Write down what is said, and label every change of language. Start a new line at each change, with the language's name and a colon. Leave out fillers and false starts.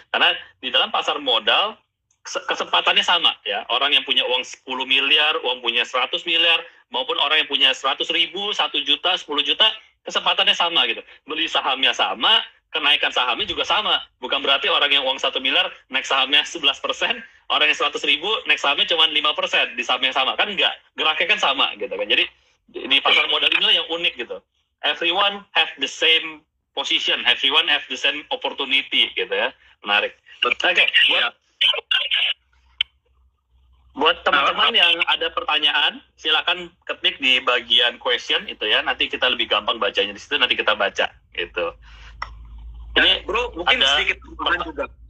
Indonesian: Karena di dalam pasar modal kesempatannya sama ya, orang yang punya uang 10 miliar, uang punya 100 miliar, maupun orang yang punya 100 ribu, 1 juta, 10 juta, kesempatannya sama gitu. Beli sahamnya sama, kenaikan sahamnya juga sama. Bukan berarti orang yang uang 1 miliar naik sahamnya 11%, orang yang 100 ribu naik sahamnya cuma 5% di saham yang sama. Kan enggak, geraknya kan sama gitu kan. Jadi di pasar modal inilah yang unik gitu.
English: Everyone have the same position, everyone have the same opportunity gitu ya.
Indonesian: Menarik. Oke, buat teman-teman yang ada pertanyaan, silakan ketik di bagian question itu ya. Nanti kita lebih gampang bacanya di situ, nanti kita baca gitu. Ini bro, mungkin sedikit tambahan juga.